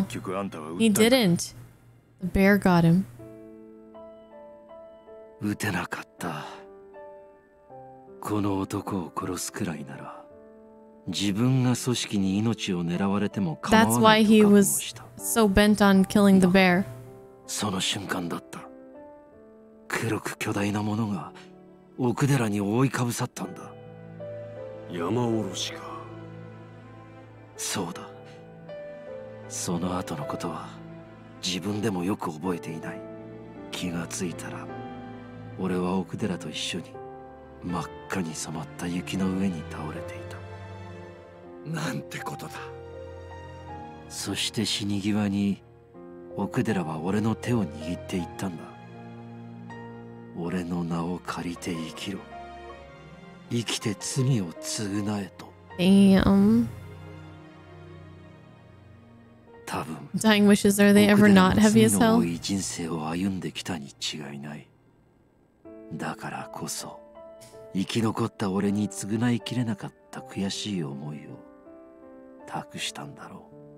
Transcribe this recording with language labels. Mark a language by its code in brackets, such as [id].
[ja] 結局あんたは撃った。 [en] He didn't. The bear got him. [ja] 撃てなかった。この男を殺すくらいなら自分が組織に命を狙われても構わないと覚悟した。 [en] That's why he was so bent on killing the bear. [ja] その瞬間だった。黒く巨大なものが奥寺に覆いかぶさったんだ。山おろしか。そうだ。その後のことは自分でもよく覚えていない。気がついたら俺は奥寺と一緒に真っ赤に染まった雪の上に倒れていた。なんてことだ。そして死に際に奥寺は俺の手を握っていったんだ。俺の名を借りて生きろ。生きて罪を償えと。 [en] Damn. [ja] 多分。 [en] Dying wishes, are they ever not heavy as hell? [ja] 奥寺の罪の多い人生を歩んできたに違いない。だからこそ、生き残った俺に償いきれなかった悔しい思いを託したんだろう。